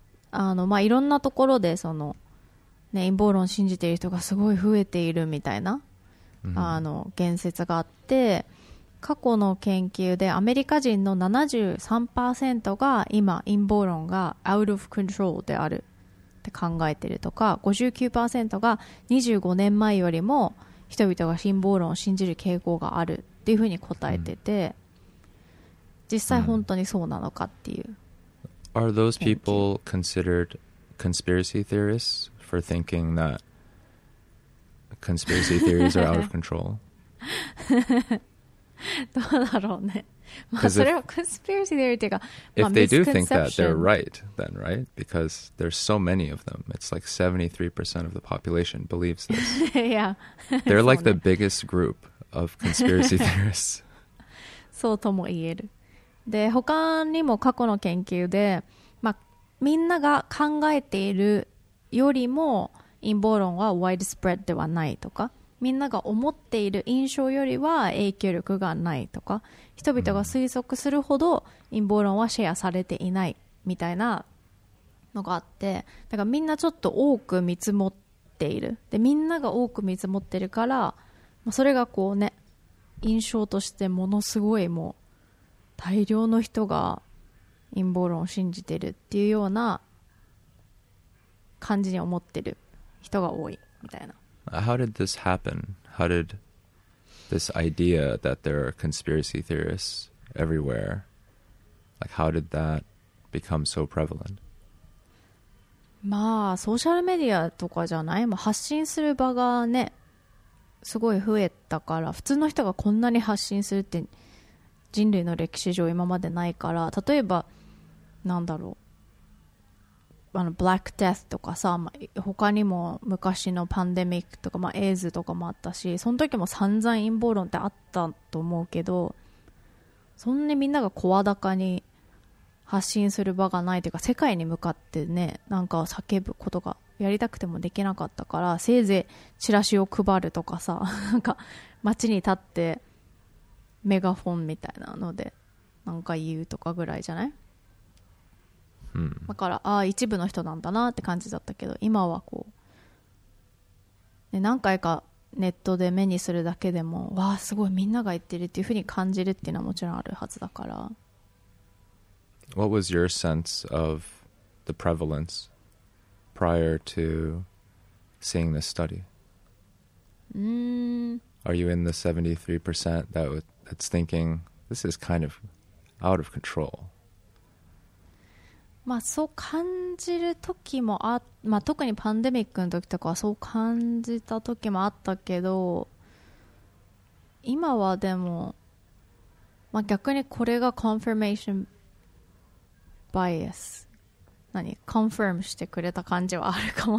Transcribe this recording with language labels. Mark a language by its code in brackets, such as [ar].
[ja] まあ、いろんなところでその、ね、陰謀論を信じている人がすごい増えているみたいな、うん、言説があって、過去の研究でアメリカ人の 73% が今陰謀論が [en] out of control [ja] であるって考えてるとか、 59% が25年前よりも人々が陰謀論を信じる傾向があるっていうふうに答えてて、うん、実際本当にそうなのかっていう。 [en] Are those people considered conspiracy theorists for thinking that conspiracy theories are out of control? [ja] どうだろうね。まあそれはコンスピラシーであるというか、 [en] If they do think that, they're right then, right? Because there's so many of them. It's like 73% of the population believes this. Yeah. They're like the biggest group of conspiracy theorists. [ja] そうとも言える。で、他にも過去の研究で、まあみんなが考えているよりも陰謀論は widespread ではないとか、みんなが思っている印象よりは影響力がないとか、人々が推測するほど陰謀論はシェアされていないみたいなのがあって、だからみんなちょっと多く見積もっている。でみんなが多く見積もってるから、それがこうね、印象としてものすごい、もう大量の人が陰謀論を信じてるっていうような感じに思ってる人が多いみたいな。 [en] How did this happen? How did this idea that there are conspiracy theorists everywhere, like how did that become so prevalent? [ja] まあ、ソーシャルメディアとかじゃない？もう発信する場がね、すごい増えたから、普通の人がこんなに発信するって人類の歴史上今までないから、例えば、なんだろう。ブラックデスとかさ、まあ、他にも昔のパンデミックとか、まあ、エイズとかもあったし、その時も散々陰謀論ってあったと思うけど、そんなにみんなが声高に発信する場がないというか、世界に向かってね、なんか叫ぶことがやりたくてもできなかったから、せいぜいチラシを配るとかさ、なんか街に立ってメガフォンみたいなのでなんか言うとかぐらいじゃない？だから、ああ一部の人なんだなって感じだったけど、今はこう、ね、何回かネットで目にするだけでも、わあすごいみんなが言ってるっていうふうに感じるっていうのはもちろんあるはずだから。 [en] What was your sense of the prevalence prior to seeing this study? Are you in the 73% that's thinking this is kind of out of control? [ja] まあ、そう感じる時もあ、まあ、特にパンデミックの時とかはそう感じた時もあったけど、今はでも、まあ、逆にこれがコンフィーメーションバイアス、何コンフィームしてくれた感じはあるかも。